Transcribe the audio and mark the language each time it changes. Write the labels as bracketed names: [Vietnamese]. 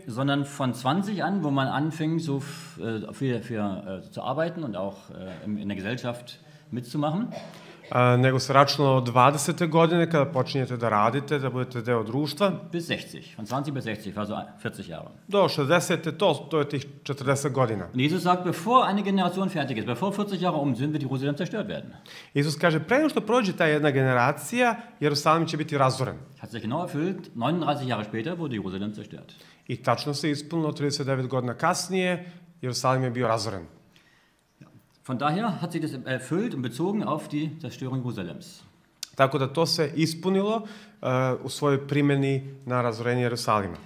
[German] Sondern von 20 an, wo man anfing so für zu arbeiten und auch in der Gesellschaft mitzumachen. [Serbian] Nego se računalo od 20. godine kada počinjete da radite, da budete deo društva. [German] Bis 60, von 20 bis 60, also 40 Jahre. [Serbian] Do 60. to je tih 40 godina. [German] Und Jesus sagt, bevor eine Generation fertig ist, bevor 40 Jahre um sind, wird Jerusalem zerstört werden. [Serbian] Isus kaže, pre nego što prođe ta jedna generacija, Jerusalim će biti razoren. [German] Hat sich genau erfüllt, 39 Jahre später wurde Jerusalem zerstört. [Serbian] I tačno se ispunilo 39 godina kasnije, Jerusalim je bio razoren. [German] Von daher hat sich das erfüllt und bezogen auf die Zerstörung Jerusalems. [Serbian] Tako da to se ispunilo u svojoj primjeni na razorenje Jerusalima.